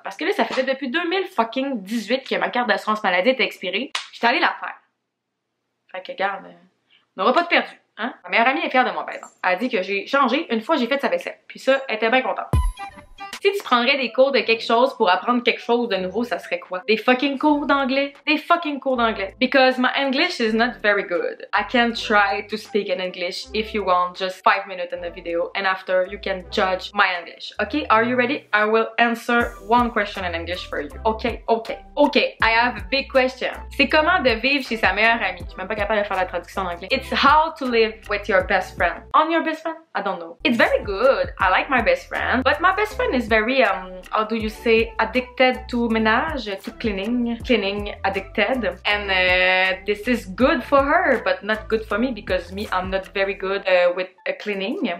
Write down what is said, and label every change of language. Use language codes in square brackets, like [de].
[fr] Parce que là, ça faisait depuis 2018 que ma carte d'assurance maladie était expirée. J'étais allée la faire. Fait que, garde, on n'aura pas de perdu. Hein? Ma meilleure amie est fière de moi, par exemple. Elle a dit que j'ai changé une fois j'ai fait sa vaisselle. Puis ça, elle était bien contente. Si tu prendrais des cours de quelque chose pour apprendre quelque chose de nouveau, ça serait quoi? Des fucking cours d'anglais? Des fucking cours d'anglais. [en] Because my English is not very good. I can try to speak in English if you want just 5 minutes in the video and after you can judge my English. Okay, are you ready? I will answer one question in English for you. Okay, okay. Okay, I have a big question. [fr] C'est comment de vivre chez sa meilleure amie? Je suis même pas capable de faire la traduction en anglais. [en] It's how to live with your best friend. On your best friend? I don't know. It's very good. I like my best friend. But my best friend is very, how do you say, addicted to ménage, to cleaning. Cleaning addicted. And this is good for her, but not good for me because me, I'm not very good with cleaning.